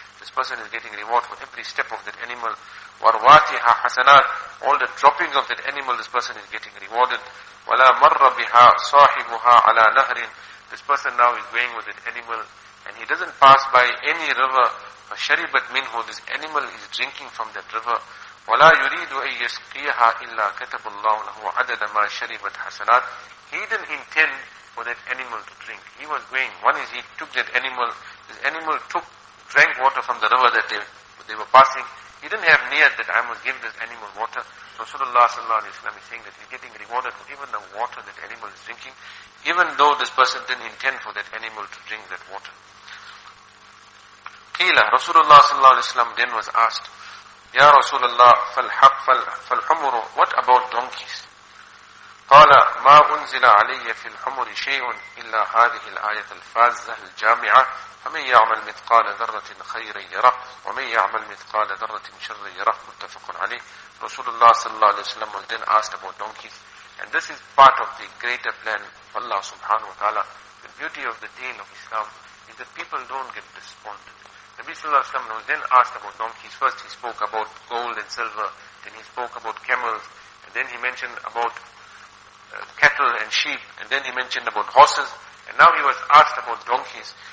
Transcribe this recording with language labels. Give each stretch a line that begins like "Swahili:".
English: This person is getting reward for every step of that animal.
Arabic: وَرْوَاتِهَا حَسَنَاتِ,
English: all the droppings of that animal, this person is getting rewarded.
Arabic: وَلَا مَرَّ بِهَا صَاحِبُهَا عَلَى نَهْرٍ,
English: this person now is going with that animal and he doesn't pass by any river.
Arabic: فَشَرِبَتْ مِنْهُ,
English: this animal is drinking from that river.
Arabic: وَلَا يُرِيدُ أَن يَسْقِيَهَا إِلَّا كَتَبُ اللَّهُ لَهُ عَدَدَ مَا شَرِبَتْ حَسَنَاتٍ,
English: he didn't intend for that animal to drink. He was going, one is he took that animal, this animal took, drank water from the river that they were passing. He didn't have niyat that I must give this animal water. Rasulullah sallallahu alayhi wa sallam is saying that he's getting rewarded for even the water that animal is drinking, even though this person didn't intend for that animal to drink that water. قِيلَ, Rasulullah sallallahu alayhi wa sallam then was asked, Ya Rasulullah,
Arabic: فالحق فالحمر,
English: what about donkeys?
Arabic: قال ما أنزل علي في الحمر شيء إلا هذه الآية الفازة الجامعة فمن يعمل مثقال ذرة خيرا يره ومن يعمل مثقال ذرة شرا يره. متفق عليه.
English: Rasulullah sallallahu alayhi wa sallam was then asked about donkeys, and this is part of the greater plan of Allah subhanahu wa ta'ala. The beauty of the deen of Islam is that people don't get despondent. Nabi sallallahu alayhi wa sallam was then asked about donkeys. First he spoke about gold and silver, then he spoke about camels, and then he mentioned about cattle and sheep, and then he mentioned about horses, and now he was asked about donkeys.